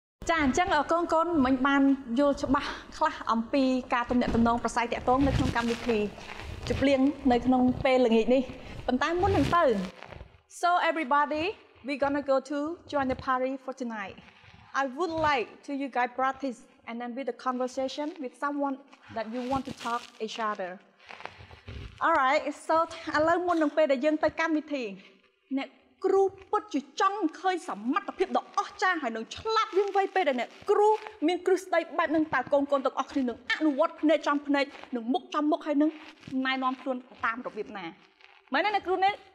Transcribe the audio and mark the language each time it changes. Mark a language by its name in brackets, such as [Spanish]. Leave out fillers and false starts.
[Khmer] ចា៎អញ្ចឹងកូនកូនមិញបានយល់ច្បាស់ខ្លះអំពីការទំនាក់ទំនងប្រស័យតាក់ទងនៅក្នុងកម្មវិធីជប់លៀងនៅក្នុងពេលល្ងាចនេះប៉ុន្តែមុននឹងទៅ [English] So everybody we gonna go to join the party for tonight. I would like to you guys practice and then with the conversation with someone that you want to talk each other. All right, so [Khmer] ឥឡូវមុននឹងពេលដែលយើងទៅកម្មវិធីអ្នកគ្រូពុតជាចង់ឃើញសមត្ថភាពដ៏អស្ចារ្យហើយនឹងឆ្លាតវាងវៃពេលដែលអ្នកគ្រូមានគ្រឹះស្ដីបែបនឹងតើកូនកូនទាំងអស់គ្នានឹងអនុវត្តភ្នែកចំភ្នែកនឹងមុខចំមុខហើយនឹងណែនាំខ្លួនតាមរបៀបណាមែនទេអ្នកគ្រូនេះ